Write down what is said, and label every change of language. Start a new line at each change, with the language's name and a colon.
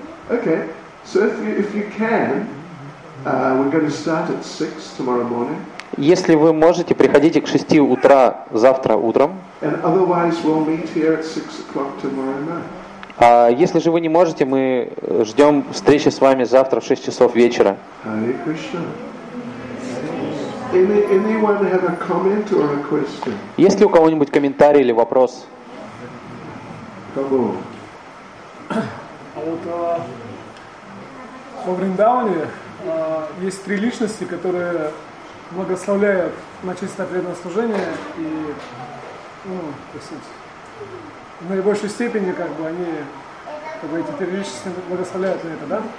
English: Okay. So if you can, we're going to start at 6 tomorrow morning.
Russian: Если вы можете, приходите к 6 утра завтра утром.
English: And otherwise, we'll meet here at 6 o'clock tomorrow night.
Russian: А если же вы не можете, мы ждем встречи с вами завтра в 6 часов вечера.
English: Hare Krishna. Anyone have a comment or a question?
Russian: Есть ли у кого-нибудь комментарий или вопрос? А вот во Вриндаване есть три личности, которые благословляют на чистое преданное служение, и в наибольшей степени эти три личности благословляют на это, да?